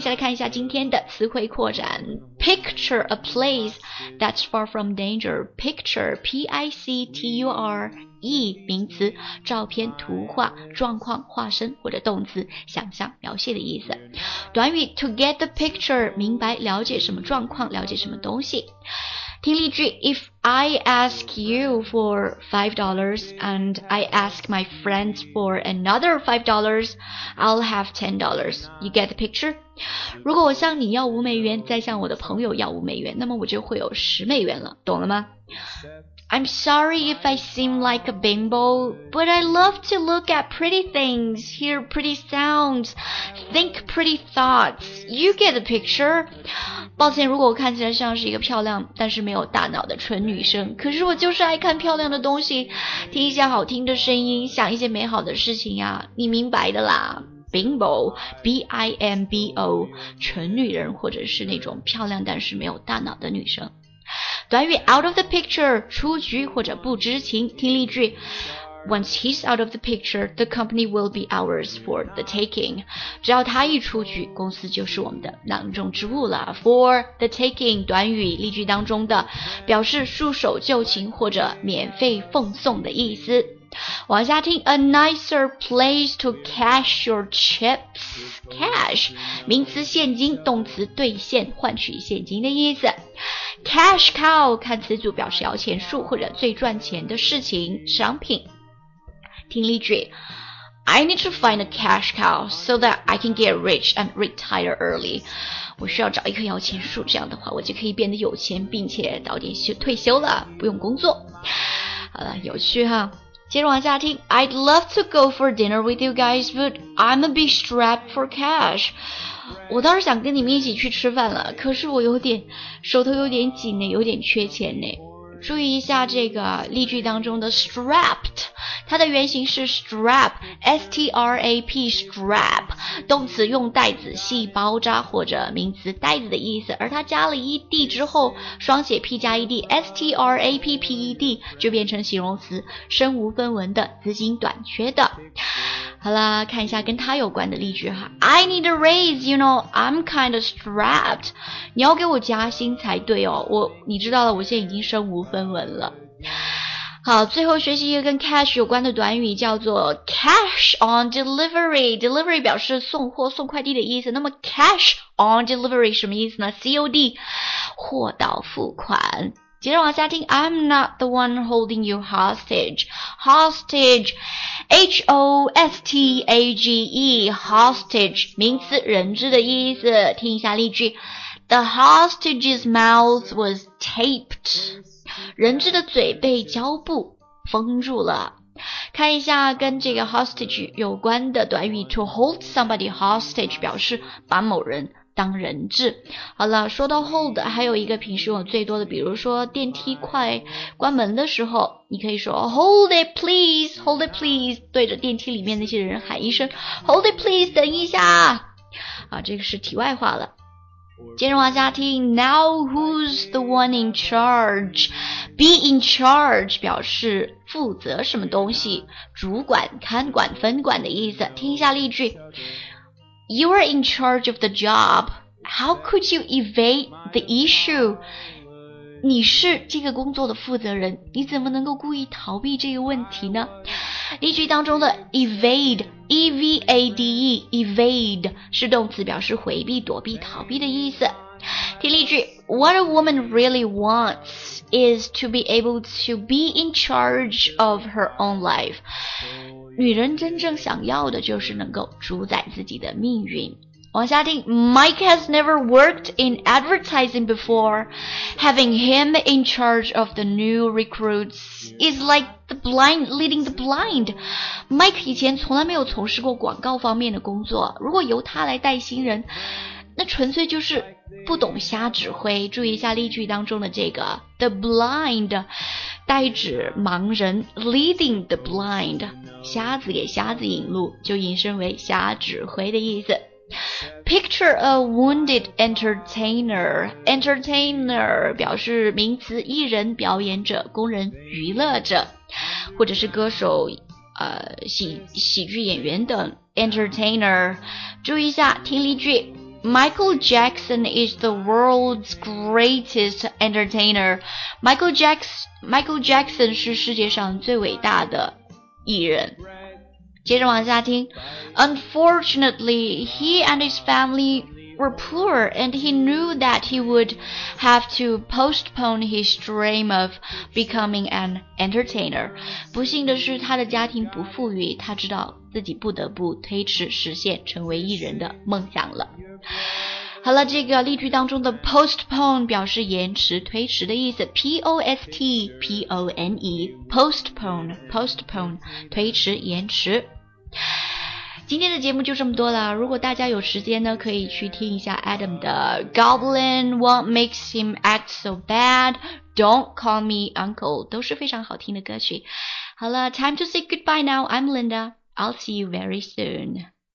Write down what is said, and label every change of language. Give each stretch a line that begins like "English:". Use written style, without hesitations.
Chinese: 先来看一下今天的词汇扩展。
English: Picture a place that's far from danger.
Chinese: Picture, P-I-C-T-U-R-E, 名词，照片、图画、状况、化身或者动词，想象、描写的意思。短语
English: to get the picture,
Chinese: 明白、了解什么状况、了解什么东西。听例句
English: ,If I ask you for $5 and I ask my friends for another $5, I'll have $10. You get the picture?
Chinese: 如果我向你要5美元,再向我的朋友要5美元,那么我就会有10美元了,懂了吗?
English: I'm sorry if I seem like a bimbo, but I love to look at pretty things, hear pretty sounds, think pretty thoughts. You get the picture.
Chinese: 抱歉，如果我看起来像是一个漂亮但是没有大脑的纯女生，可是我就是爱看漂亮的东西，听一些好听的声音，想一些美好的事情呀，你明白的啦。 Bimbo, B-I-M-B-O, 纯女人或者是那种漂亮但是没有大脑的女生。短语
English: out of the picture,
Chinese: 出局或者不知情，听例句。
English: Once he's out of the picture, the company will be ours for the taking.
Chinese: 只要他一出局，公司就是我们的囊中之物了。
English: For the taking,
Chinese: 短语例句当中的表示束手就擒或者免费奉送的意思。往下听
English: A nicer place to cash your chips.
Chinese: Cash, 名词现金，动词兑现，换取现金的意思。 Cash cow, 看词组表示摇钱树或者最赚钱的事情商品。听例句，
English: I need to find a cash cow so that I can get rich and retire early.
Chinese: 我需要找一棵摇钱树，这样的话我就可以变得有钱，并且早点退休了，不用工作。好了，有趣哈。接着往下听，
English: I'd love to go for dinner with you guys, but I'm a bit strapped for cash.
Chinese: 我倒是想跟你们一起去吃饭了，可是我有点手头有点紧呢，有点缺钱呢。注意一下这个例句当中的 strapped， 它的原型是 strap， S-T-R-A-P， strap， 动词用带子系包扎或者名词带子的意思，而它加了 ed 之后双写 p 加 ed， S-T-R-A-P-P-E-D 就变成形容词，身无分文的，资金短缺的。好啦，看一下跟它有关的例句哈。
English: I need a raise, you know, I'm kind of strapped.
Chinese: 你要给我加薪才对哦，你知道了，我现在已经身无分文了。好，最后学习一个跟 cash 有关的短语，叫做 cash on delivery。 delivery 表示送货送快递的意思，那么 cash on delivery 什么意思呢？ COD， 货到付款。
English: 接着往下听， I'm not the one holding you hostage.
Chinese: Hostage, H-O-S-T-A-G-E, hostage, 名词人质的意思。
English: 听一下例句， The hostage's mouth was taped.
Chinese: 人质的嘴被胶布封住了。看一下跟这个 hostage 有关的短语，
English: to hold somebody hostage
Chinese: 表示把某人当人质。好了，说到 hold， 还有一个平时用最多的，比如说电梯快关门的时候，你可以说
English: hold it please,
Chinese: hold it please， 对着电梯里面那些人喊一声 hold it please， 等一下。啊，这个是题外话了。接着往下听，
English: now who's the one in charge？
Chinese: Be in charge 表示负责什么东西，主管、看管、分管的意思。听一下例句。
English: You are in charge of the job. How could you evade the issue?
Chinese: 你是这个工作的负责人，你怎么能够故意逃避这个问题呢？例句当中的 evade, E-V-A-D-E, evade 是动词，表示回避、躲避、逃避的意思。听例句，
English: What a woman really wants is to be able to be in charge of her own life.
Chinese: 女人真正想要的就是能够主宰自己的命运。往下听，
English: Mike has never worked in advertising before. Having him in charge of the new recruits is like the blind leading the blind.
Chinese: Mike 以前从来没有从事过广告方面的工作，如果由他来带新人，那纯粹就是不懂瞎指挥。注意一下例句当中的这个 the blind， 代指盲人，
English: leading the blind，
Chinese: 瞎子给瞎子引路，就引申为瞎指挥的意思。
English: Picture a wounded entertainer.
Chinese: Entertainer 表示名词，艺人、表演者、工人、娱乐者，或者是歌手、喜剧演员等。
English: Entertainer，
Chinese: 注意一下，听例句。
English: Michael Jackson is the world's greatest entertainer.
Chinese: Michael Jackson 是世界上最伟大的艺人。接着往下听，
English: Unfortunately, he and his family were poor, and he knew that he would have to postpone his dream of becoming an entertainer.
Chinese: 不幸的是他的家庭不富裕，他知道自己不得不推迟实现成为艺人的梦想了。好了，这个例句当中的 postpone 表示延迟推迟的意思， P-O-S-T-P-O-N-E postpone postpone 推迟延迟。今天的节目就这么多了，如果大家有时间呢，可以去听一下 Adam 的 Goblin What Makes Him Act So Bad Don't Call Me Uncle 都是非常好听的歌曲。好了，
English: Time to say goodbye now. I'm Linda. I'll see you very soon.